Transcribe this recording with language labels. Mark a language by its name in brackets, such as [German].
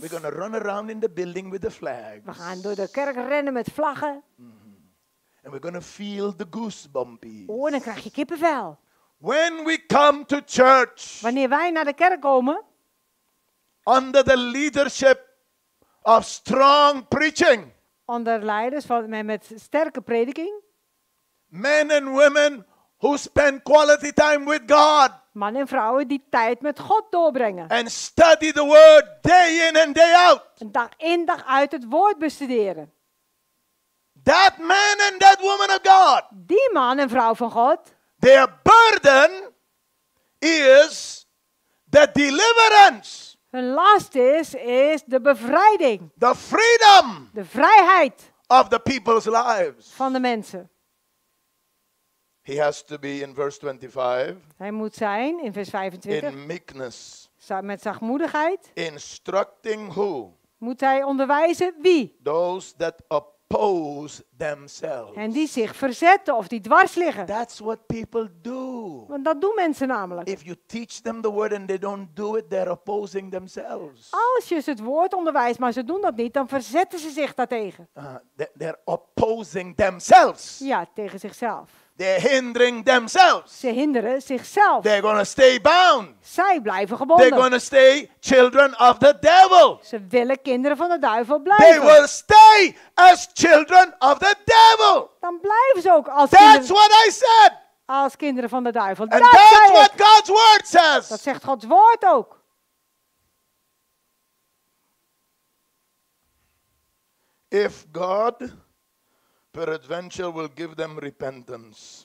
[English] We're going to run around in the building with the flags. [Dutch] We gaan door de kerk rennen met vlaggen. [English] And we're going to feel the goosebumpies. [Dutch] Oh, dan krijg je kippenvel. [English] When we come to church. [Dutch] Wanneer wij naar de kerk komen. [English] Under the leadership of strong preaching. [Dutch] Onder leiders van met sterke prediking. [English] Men and women who spend quality time with God. [Dutch] Mannen en vrouwen die tijd met God doorbrengen. [English] And study the word day in and day out. [Dutch] En dag in dag uit het woord bestuderen. [English] That man and that woman of God. [Dutch] Die man en vrouw van God. [English] Their burden is the deliverance. [Dutch] Hun last is de bevrijding. [English] The freedom. [Dutch] De vrijheid. [English] Of the people's lives. [Dutch] Van de mensen. [English] He has to be in verse 25. [Dutch] Hij moet zijn in vers 25. [English] In meekness. [Dutch] Met zachtmoedigheid. [English] Instructing who? [Dutch] Moet hij onderwijzen wie? [English] Those that oppose themselves. [Dutch] En die zich verzetten of die dwars liggen. [English] That's what people do. [Dutch] Want dat doen mensen namelijk. [English] If you teach them the word and they don't do it, they're opposing themselves. [Dutch] Als je ze het woord onderwijst, maar ze doen dat niet, dan verzetten ze zich daartegen. [English] They're opposing themselves. [Dutch] Ja, tegen zichzelf. [English] They're hindering themselves. [Dutch] Ze hinderen zichzelf. [English] They're gonna stay bound. [Dutch] Zij blijven gebonden. [English] They're gonna stay children of the devil. [Dutch] Ze willen kinderen van de duivel blijven. [English] They will stay as children of the devil. [Dutch] Dan blijven ze ook als kinderen. [English] That's what I said. [Dutch] Als kinderen van de duivel. [English] And that's what God's word says. [Dutch] Dat zegt Gods woord ook. [English] If God peradventure will give them repentance.